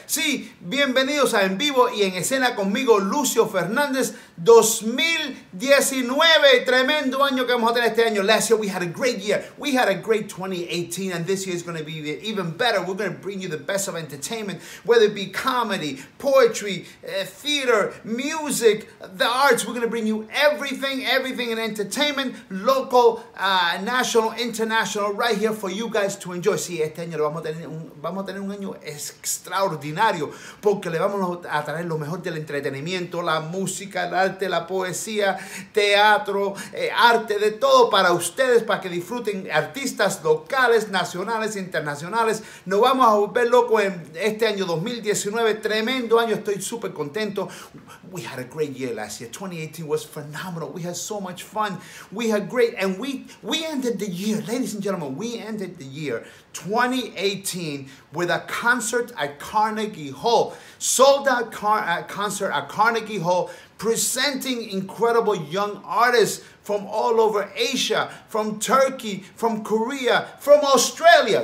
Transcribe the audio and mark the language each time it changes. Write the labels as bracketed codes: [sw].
[es] Sí, bienvenidos a En Vivo y En Escena conmigo, Lucio Fernandez. 2019, tremendo año que vamos a tener este año. [en] Last year we had a great year. We had a great 2018, and this year is going to be even better. We're going to bring you the best of entertainment, whether it be comedy, poetry, theater, music, the arts. We're going to bring you everything in entertainment, local, national, international, right here for you guys to enjoy. [es] Sí, este año vamos a tener un año extraordinario, porque le vamos a traer lo mejor del entretenimiento, la música, la arte, la poesía, teatro, arte, de todo para ustedes, para que disfruten artistas locales, nacionales, internacionales. Nos vamos a volver locos en este año 2019, tremendo año, estoy súper contento. [en] We had a great year last year. 2018 was phenomenal. We had so much fun. We had great, and we ended the year, ladies and gentlemen, we ended the year 2018 with a concert at Carnegie Hall. Sold out concert at Carnegie Hall, presenting incredible young artists from all over Asia, from Turkey, from Korea, from Australia.